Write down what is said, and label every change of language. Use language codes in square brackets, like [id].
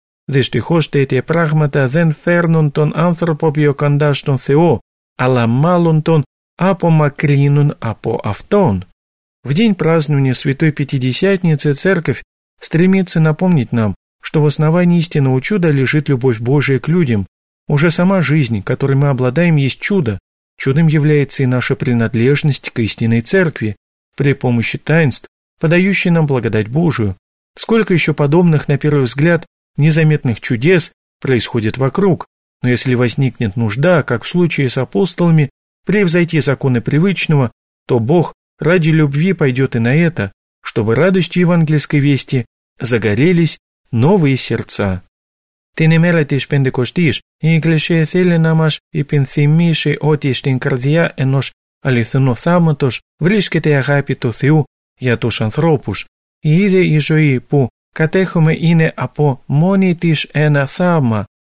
[el] Δυστυχώς τέτοια πράγματα δεν φέρνουν τον άνθρωπο πιο κοντά στον Θεό, αλλά μάλλον τον απομακρύνουν από Αυτόν. [ru] В день празднования Святой Пятидесятницы Церковь стремится напомнить нам, что в основании истинного чуда лежит любовь Божия к людям. Уже сама жизнь, которой мы обладаем, есть чудо. Чудом является и наша принадлежность к истинной Церкви, при помощи таинств, подающей нам благодать Божию. Сколько еще подобных, на первый взгляд, незаметных чудес происходит вокруг, но если возникнет нужда, как в случае с апостолами, превзойти законы привычного, то Бог ради любви пойдет и на это, чтобы радостью евангельской вести загорелись новые сердца. [el] Την ημέρα της Πεντεκοστής η Εκκλησία θέλει να μας υπενθυμίσει ότι στην καρδιά ενός αληθινού θαύματος βρίσκεται η αγάπη του Θεού για τους ανθρώπους. Η ίδια η ζωή που κατέχουμε είναι από μόνη της ένα θαύμα.